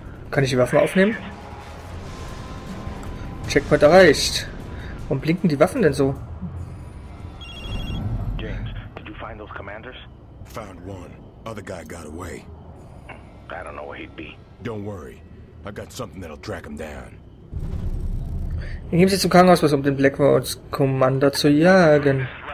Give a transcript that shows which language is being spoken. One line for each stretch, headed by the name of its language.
German: Kann ich die Waffen aufnehmen? Checkpoint erreicht. Warum blinken die Waffen denn so?
English: James, did you find those commanders? Found one. Other guy got away. I don't know where he'd be. Don't worry. I got something that'll track him down.
German: Wir gehen jetzt zum Krankenhaus, um den Blackwoods Commander zu jagen.